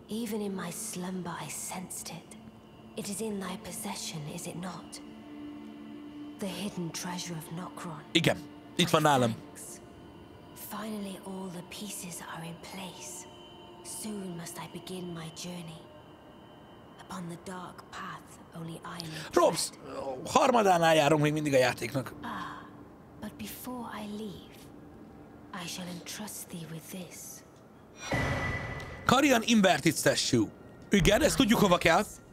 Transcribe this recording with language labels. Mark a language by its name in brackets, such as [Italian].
[English] Even in my slumber I sensed it. It is in thy possession, is it not? The hidden treasure of Nokron. [Hungarian] Igen, itt van nálam. [English] Finally all the pieces are in place. Soon must I begin my journey. Upon the dark path only I may tread. [Hungarian] Robs, harmadánál járunk még mindig a játéknak. [English] But before I leave, I shall entrust thee with this. [Hungarian] Karian Invertit tesszú. Igen, ezt tudjuk, hova kell.